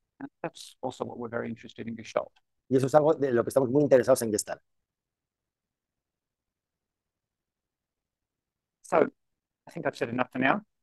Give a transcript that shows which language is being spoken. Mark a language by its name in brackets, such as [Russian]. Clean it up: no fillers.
[English] And that's also what we're very interested in gestalt. [Spanish] Y eso es algo de lo que estamos muy interesados en gestalt. [English] So, I think I've said enough for now.